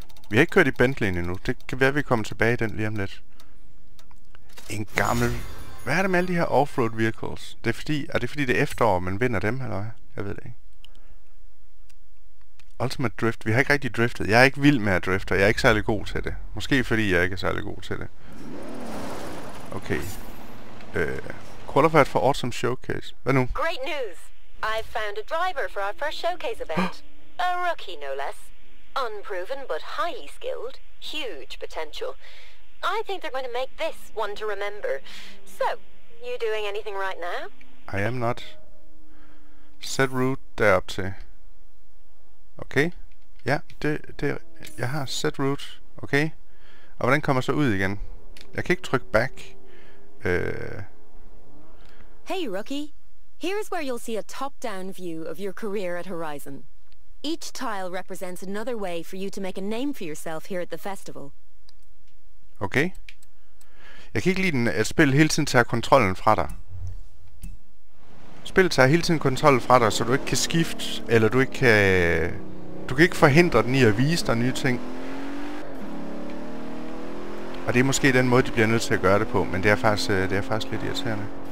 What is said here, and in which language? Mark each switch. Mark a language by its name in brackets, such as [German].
[Danish] Vi har ikke kørt i Bentley'en endnu. Det kan være, vi kommer tilbage i den lige om lidt. En gammel... Hvad er det med alle de her off-road vehicles? Det er fordi... Er det fordi, det er efterår, man vinder dem, eller hvad? Jeg ved det ikke. Ultimate Drift. Vi har ikke rigtig driftet. Jeg er ikke vild med at drifte, jeg er ikke særlig god til det. Måske fordi, jeg ikke er særlig god til det. Okay. [English] Qualified for Awesome Showcase. [Danish] Hvad nu? [English] Great news! I found a driver for our first showcase event. A rookie, no less. Unproven, but highly skilled. Huge potential. I think they're going to make this one to remember. So, you doing anything right now? I am not. Set route [Danish] derop til. [English] Okay. [Danish] Ja, det jeg har set route. Okay. Og hvordan kommer så ud igen? Jeg kan ikke trykke back. [English] Hey rookie. Here's where you'll see a top-down view of your career at Horizon. Each tile represents another way for you to make a name for yourself here at the festival. Okay. [Danish] Jeg kan ikke lide den, at spillet hele tiden tager kontrollen fra dig. Spillet tager hele tiden kontrollen fra dig, så du ikke kan skifte, eller du ikke kan... Du kan ikke forhindre den i at vise dig nye ting. Og det er måske den måde, de bliver nødt til at gøre det på, men det er faktisk lidt irriterende.